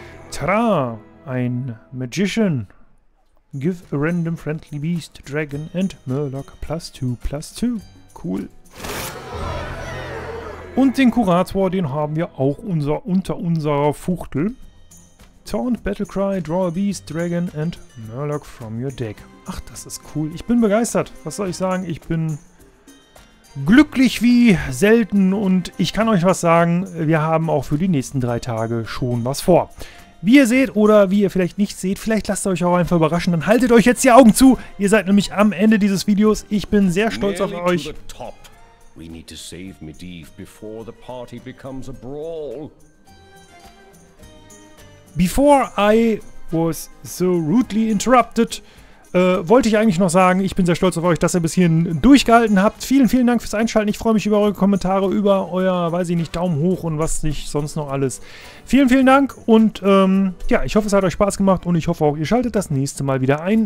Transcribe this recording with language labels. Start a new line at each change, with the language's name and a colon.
German: Tada! Ein Magician.
English: Give a random friendly beast, dragon and murloc +2/+2. Cool.
German: Und den Kurator, den haben wir auch unter unserer Fuchtel.
English: Taunt, Battlecry, Draw a Beast, Dragon and Murloc from your deck.
German: Ach, das ist cool. Ich bin begeistert. Was soll ich sagen? Ich bin glücklich wie selten und ich kann euch was sagen. Wir haben auch für die nächsten 3 Tage schon was vor. Wie ihr seht oder wie ihr vielleicht nicht seht, vielleicht lasst ihr euch auch einfach überraschen. Dann haltet euch jetzt die Augen zu. Ihr seid nämlich am Ende dieses Videos. Ich bin sehr stolz auf euch.
English: We need to save Medivh before the party becomes a brawl. Before I was so rudely interrupted,
German: wollte ich eigentlich noch sagen, ich bin sehr stolz auf euch, dass ihr bis hierhin durchgehalten habt. Vielen, vielen Dank fürs Einschalten. Ich freue mich über eure Kommentare, über euer, weiß ich nicht, Daumen hoch und was nicht sonst noch alles. Vielen, vielen Dank und ja, ich hoffe, es hat euch Spaß gemacht und ich hoffe auch, ihr schaltet das nächste Mal wieder ein.